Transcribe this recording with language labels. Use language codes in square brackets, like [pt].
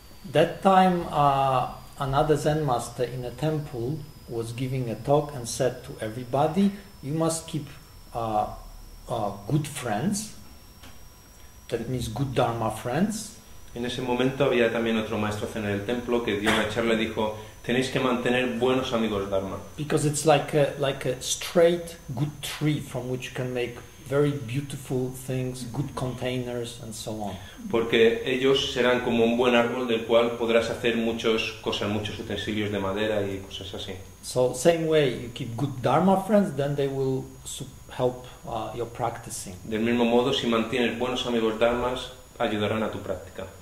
[en] That time, another Zen master in a temple was giving a talk and said to everybody, you must keep good friends, that means good dharma friends. [es] En ese momento había también otro maestro en el templo que dio una charla y dijo, tenéis que mantener buenos amigos dharma. [en] Because it's like a straight good tree from which you can make very beautiful things, good containers and so on. [es] Porque ellos serán como un buen árbol del cual podrás hacer muchos cosas, muchos utensilios de madera y cosas así. [en] So same way, you keep good dharma friends, then they will help your practicing. [es] Del mismo modo, si mantienes buenos amigos dharmas, ayudarán a tu práctica.